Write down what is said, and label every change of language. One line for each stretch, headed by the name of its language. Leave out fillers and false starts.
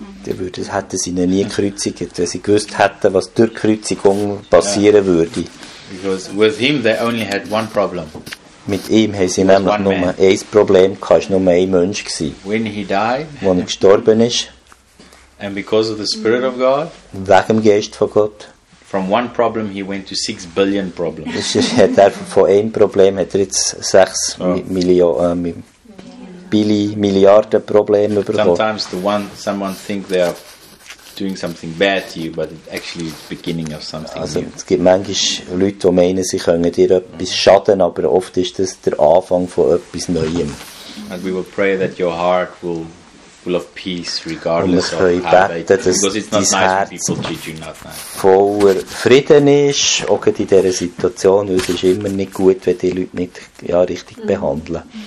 German: Hätten sie ihn nie gekreuzigt, wenn sie gewusst hätten, was durch Kreuzigung passieren würde.
English: Because with him they only had one problem.
German: Mit ihm haben sie nämlich nur man. Ein Problem gehabt, nur ein Mensch gewesen.
English: When he died,
German: wo er gestorben ist,
English: and because of the Spirit of God,
German: wegen dem Geist von Gott,
English: from one problem he went to 6 billion problems.
German: Hat er von einem Problem hat er jetzt 6 Milliarden Probleme bekommen.
English: Sometimes the one someone think they are doing something bad to you, but it's actually the beginning of something
German: also, new. Es gibt manchmal Leute, die meinen, sie können dir etwas schaden, aber oft ist das der Anfang von etwas Neuem.
English: And we will pray that your heart will full of peace regardless of how they because it's not nice when people treat you not nice.
German: Voller Frieden ist, auch in dieser Situation, weil es ist immer nicht gut, wenn die Leute nicht ja, richtig behandeln.